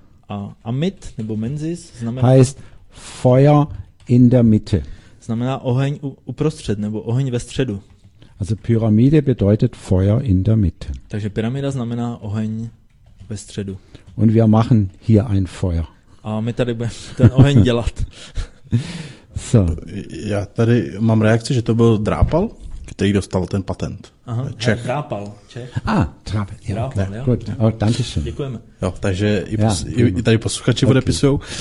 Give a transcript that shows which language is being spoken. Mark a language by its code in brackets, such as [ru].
[cs] A Amit nebo Menzis znamená [de] heißt Feuer in der Mitte. [cs] Znamená oheň uprostřed nebo oheň ve středu. [de] Also Pyramide bedeutet Feuer in der Mitte. [cs] Takže pyramida znamená oheň ve středu. [de] Und wir machen hier ein Feuer. [cs] A my tady budeme ten oheň dělat. So. Já tady mám reakci, že to byl Drápal, který dostal ten patent. Aha, Čech. Drápal, Čech. Ah, Drápal, jo. Drápal, jo. Děkujeme. Jo, takže i tady posluchači podepisujou.